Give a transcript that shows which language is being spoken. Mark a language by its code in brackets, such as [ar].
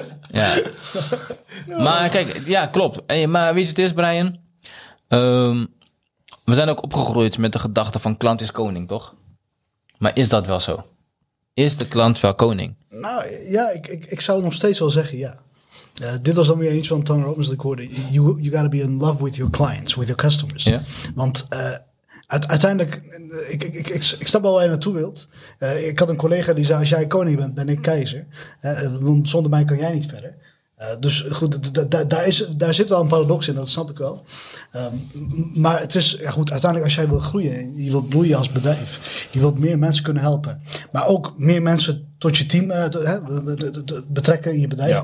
[nl] Ja. Maar kijk, ja, klopt. Hey, maar wie het is, Brian? We zijn ook opgegroeid met de gedachte van klant is koning, toch? Maar is dat wel zo? Is de klant wel koning? Nou ja, ik zou nog steeds wel zeggen, ja. Dit was dan weer iets van Tony Robbins, dat ik hoorde. [en] You gotta be in love with your clients, with your customers. Yeah. [nl] Want uiteindelijk, ik snap wel waar je naartoe wilt. Ik had een collega die zei, als jij koning bent, ben ik keizer. Zonder mij kan jij niet verder. Dus goed, daar zit wel een paradox in, dat snap ik wel. Maar het is, ja goed, uiteindelijk als jij wilt groeien, je wilt bloeien als bedrijf, je wilt meer mensen kunnen helpen, maar ook meer mensen tot je team betrekken in je bedrijf, ja.